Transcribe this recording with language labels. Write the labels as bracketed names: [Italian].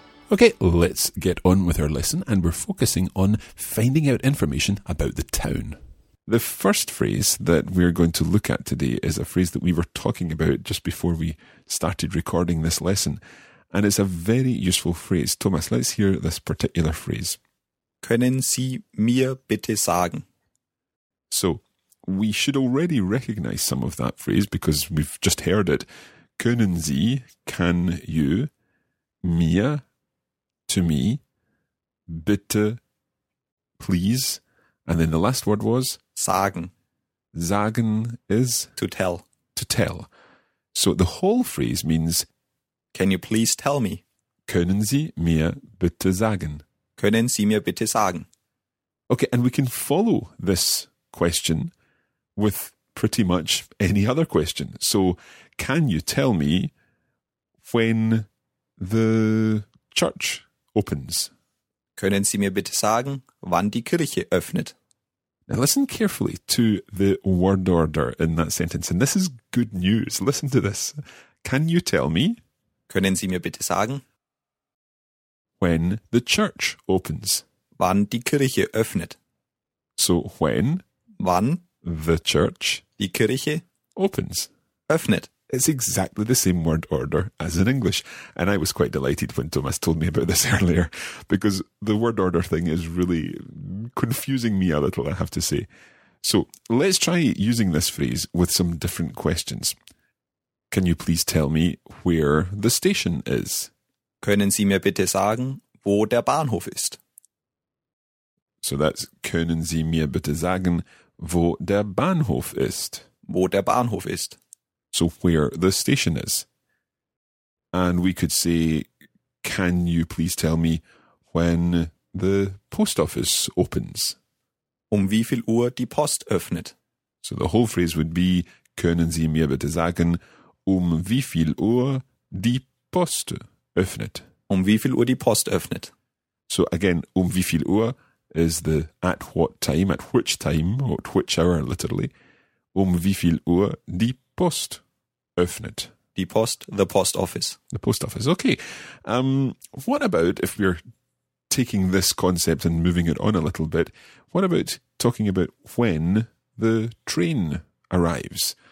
[English] Okay, let's get on with our lesson, and we're focusing on finding out information about the town. The first phrase that we're going to look at today is a phrase that we were talking about just before we started recording this lesson, and it's a very useful phrase. Thomas, let's hear this particular phrase. [German] Können Sie mir bitte sagen? [English] So, we should already recognize some of that phrase because we've just heard it. [German] Können Sie, [English] can you, mir, to me, bitte, please, and then the last word was? [German] Sagen. Sagen is? [English] To tell. To tell. So the whole phrase means? Can you please tell me? [German] Können Sie mir bitte sagen? Können Sie mir bitte sagen? [English] Okay, and we can follow this question with pretty much any other question. So can you tell me when the church opens? [German] Können Sie mir bitte sagen, wann die Kirche öffnet? [English] Now listen carefully to the word order in that sentence, and this is good news. Listen to this. Can you tell me? Können Sie mir bitte sagen? When the church opens. [German] Wann die Kirche öffnet. [English] So when? [German] Wann? [English] The church. [German] Die Kirche. [English] Opens. [German] Öffnet. [English] It's exactly the same word order as in English. And I was quite delighted when Thomas told me about this earlier, because the word order thing is really confusing me a little, I have to say. So let's try using this phrase with some different questions. Can you please tell me where the station is? [German] Können Sie mir bitte sagen, wo der Bahnhof ist? [English] So that's [German] Können Sie mir bitte sagen, wo der Bahnhof ist? Wo der Bahnhof ist. [English] So where the station is. And we could say, can you please tell me when the post office opens? [German] Wie viel Uhr die Post öffnet? [English] So the whole phrase would be, [German] können Sie mir bitte sagen, wie viel Uhr die Post öffnet? Wie viel Uhr die Post öffnet? [English] So again, [German] wie viel Uhr, [English] is the at what time, at which time, or at which hour, literally, [German] um wie viel Uhr die Post öffnet. Die Post, [English] the post office. The post office, okay. What about, if we're taking this concept and moving it on a little bit, what about talking about when the train arrives?